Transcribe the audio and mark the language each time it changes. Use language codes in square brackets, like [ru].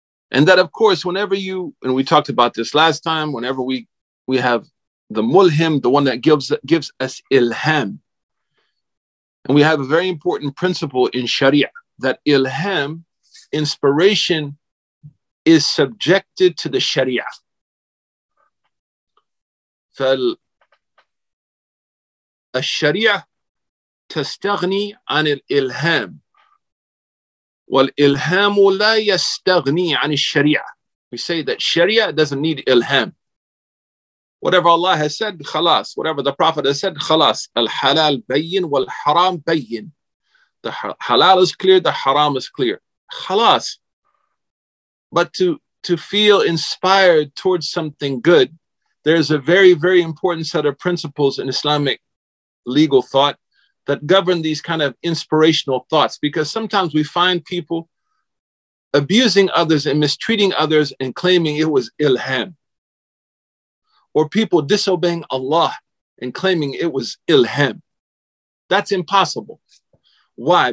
[en] And that, of course, whenever you, and we talked about this last time, whenever we have the mulhim, the one that gives us ilham. And we have a very important principle in Sharia, that ilham, inspiration, is subjected to the Sharia. [ar] الشريعه تستغني عن الالهام والالهام لا يستغني عن الشريعه. [en] We say that sharia doesn't need ilham. Whatever Allah has said, khalas. Whatever the Prophet has said, khalas. [ar] Al-halal bayin wal-haram bayin. [en] The halal is clear, the haram is clear. Khalas. But to feel inspired towards something good, there's a very, very important set of principles in Islamic legal thought that govern these kind of inspirational thoughts, because sometimes we find people abusing others and mistreating others and claiming it was ilham, or people disobeying Allah and claiming it was ilham. That's impossible. Why?